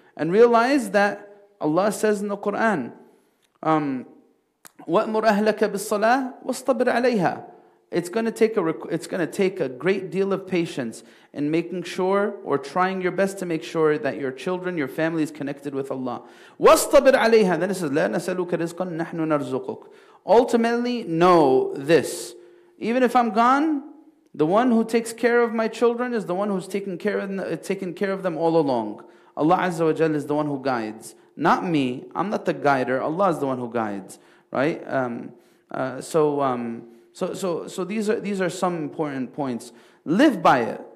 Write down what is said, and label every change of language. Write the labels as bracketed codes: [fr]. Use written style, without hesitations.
[en] And realize that Allah says in the Quran, [ar] وَأْمُرْ أَهْلَكَ بِالصَّلَاةِ وَاصْطَبِرْ عَلَيْهَا. [en] It's going to take a great deal of patience in making sure or trying your best to make sure that your children, your family is connected with Allah. [ar] وَاصْطَبِرْ عَلَيْهَا. [en] Then it says, [ar] لَا نَسَلُكَ رِزْقًا نَحْنُ نَرْزُقُكَ. [en] Ultimately, know this. Even if I'm gone, the one who takes care of my children is the one who's taken care of them all along. Allah Azza wa Jalla is the one who guides. Not me. I'm not the guider. Allah is the one who guides. Right? So these are some important points. Live by it.